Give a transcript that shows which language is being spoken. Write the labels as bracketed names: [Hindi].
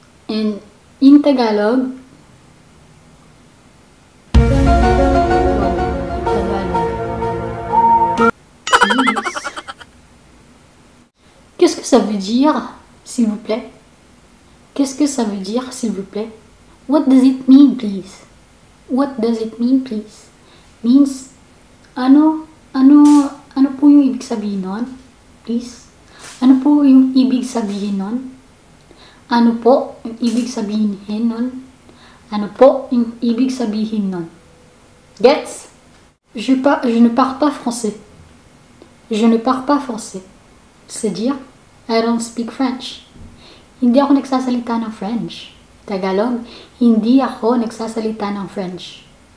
[English] And in Tagalog, [French] ça veut dire, s'il vous plaît? Qu'est-ce que ça veut dire, s'il vous plaît? [English] What does it mean, please? What does it mean, please? [Filipino] Means, ano po yung ibig sabihin nun? Please? Ano po yung ibig sabihin nun? Ano po yung ibig sabihin nun? Ano po yung ibig sabihin nun? Gets? [French] Je ne parle pas français. Je ne parle pas français. C'est dire, [English] I don't speak French. [Filipino] Hindi ako nagsasalita ng French. Tagalog, hindi ako nagsasalita ng French.